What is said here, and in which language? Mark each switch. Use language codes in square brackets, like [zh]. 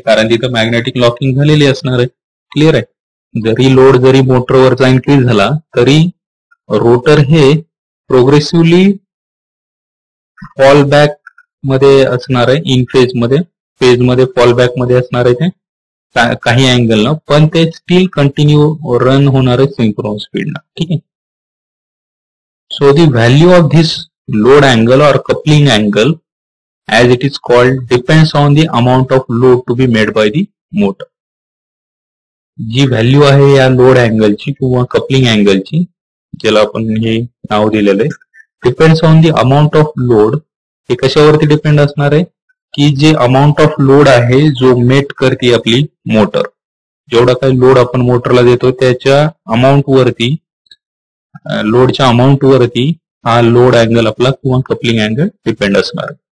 [mr] कारण तिथं magnetic locking झालेली असणार आहे. क्लिअर आहे. जरी लोड जरी मोटरवरचा इन्क्रीज झाला तरी रोटर हे प्रोग्रेसिव्हली फॉल बॅक मध्ये असणार आहे इन फेज मध्ये. फेज मध्ये फॉल बॅक मध्ये असणार आहे ते काही अँगल ना पण ते स्टील कंटिन्यू रन होणार आहे सिंक्रोनस स्पीड ना. ठीक आहे. [en] So the value of this load angle or coupling angle as it is called depends on the amount of load to be made by the motor. [mr] G value आहे या load अँगलची किंवा coupling अँगलची ज्याला आपण हे नाव दिलेलं आहे [en] Depends on the amount of load. [mr] हे कशावरती डिपेंड असणार आहे की जे अमाऊंट ऑफ लोड आहे जो मेट करते आपली मोटर. जेवढा काही लोड आपण मोटरला देतो त्याच्या अमाऊंट वरती लोडच्या अमाऊंट वरती हा लोड अँगल आपला किंवा कपलिंग अँगल डिपेंड असणार.